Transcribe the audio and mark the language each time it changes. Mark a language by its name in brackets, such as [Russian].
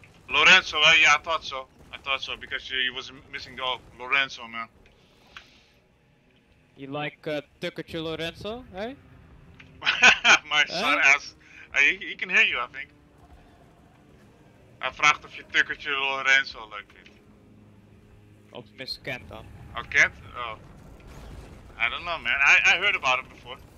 [English] Lorenzo, yeah, I thought so, because he was missing the oak. Lorenzo, man. You like Tukachu Lorenzo, eh? My son asked, he can hear you, I think. [Dutch] Hij vraagt of je Tukachu Lorenzo leuk vindt. Of Miss Kent dan. [English] Oh, Kent? Oh. I don't know, man, I heard about him before.